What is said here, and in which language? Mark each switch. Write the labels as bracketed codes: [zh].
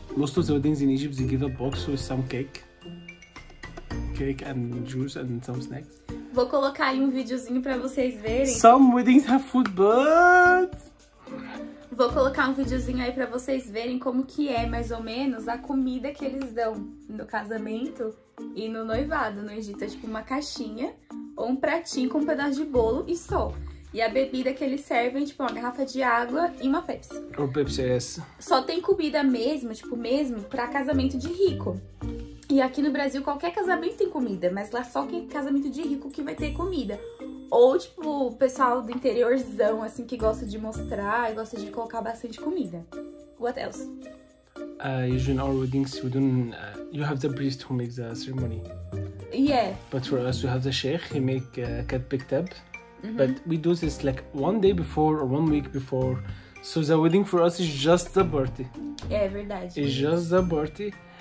[en] Most of the weddings in Egypt, they give a box with some cake. Cake and juice and some snacks. [pt] Vou colocar aí um videozinho pra vocês verem. [en] Some weddings have food, but... [pt] Vou colocar um videozinho aí pra vocês verem como que é, mais ou menos, a comida que eles dão no casamento e no noivado no Egito. É tipo uma caixinha ou um pratinho com um pedaço de bolo e só. E a bebida que eles servem, tipo, uma garrafa de água e uma Pepsi. O Pepsi é essa. Só tem comida mesmo, tipo, mesmo, pra casamento de rico. E aqui no Brasil, qualquer casamento tem comida, mas lá só quem é casamento de rico que vai ter comida. Ou, tipo, o pessoal do interiorzão, assim, que gosta de mostrar e gosta de colocar bastante comida. [en] What else? Usually in our weddings, we don't... you have the priest who makes the ceremony. Yeah. But for us, you have the sheikh, he make cat picked up. Mm-hmm. But we do this like one day before or one week before. So the wedding for us is just the party. [pt] É verdade. [en] It's just the party.